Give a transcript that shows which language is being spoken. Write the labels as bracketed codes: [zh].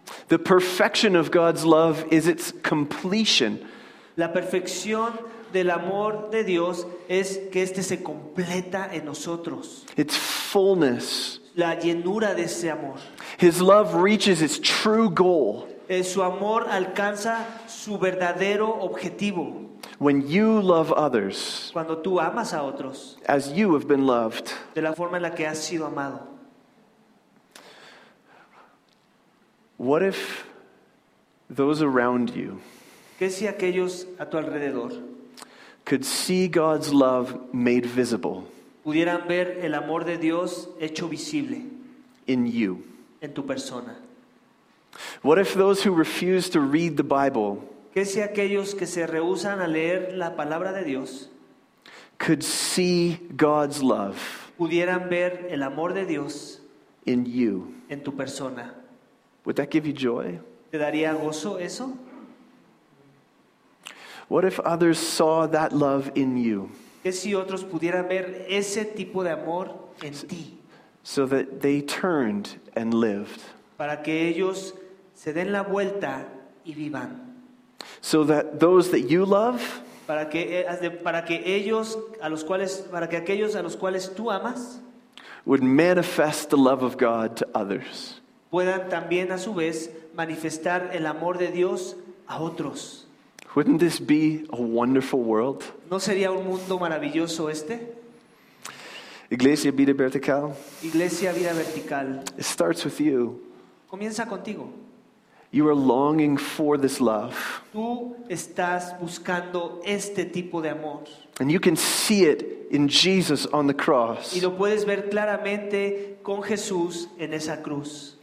[en] The perfection of God's love is its completion. [es] La perfección del amor de Dios es que este se completa en nosotros. [en] Its fullness. [es] La llenura de ese amor. [en] His love reaches its true goal. [es] Su amor alcanza su verdadero objetivo. [en] When you love others. [es] Cuando tú amas a otros. [en] As you have been loved. [es] De la forma en la que has sido amado. [en] What if those around you, [es] ¿qué si aquellos a tu alrededor, [en] could see God's love made visible, [es] pudieran ver el amor de Dios hecho visible, [en] in you, [es] en tu persona? [en] What if those who refuse to read the Bible, [es] ¿qué si aquellos que se rehúsan a leer la palabra de Dios, [en] could see God's love, [es] pudieran ver el amor de Dios, [en] in you, [es] en tu persona? [en] Would that give you joy? [es] ¿Te daría gozo eso? [en] What if others saw that love in you? [es] ¿Qué si otros pudieran ver ese tipo de amor en ti? [en] So that they turned and lived. [es] Para que ellos se den la vuelta y vivan. [en] So that those that you love, [es] para que aquellos a los cuales tú amas, [en] would manifest the love of God to others. [es] Puedan también a su vez manifestar el amor de Dios a otros. [en] Wouldn't this be a wonderful world? [es] ¿No sería un mundo maravilloso este? Iglesia Vida Vertical. Iglesia Vida Vertical. [en] It starts with you. [es] Comienza contigo. [en] You are longing for this love. [es] Tú estás buscando este tipo de amor. [en] And you can see it in Jesus on the cross. [es] Y lo puedes ver claramente con Jesús en esa cruz.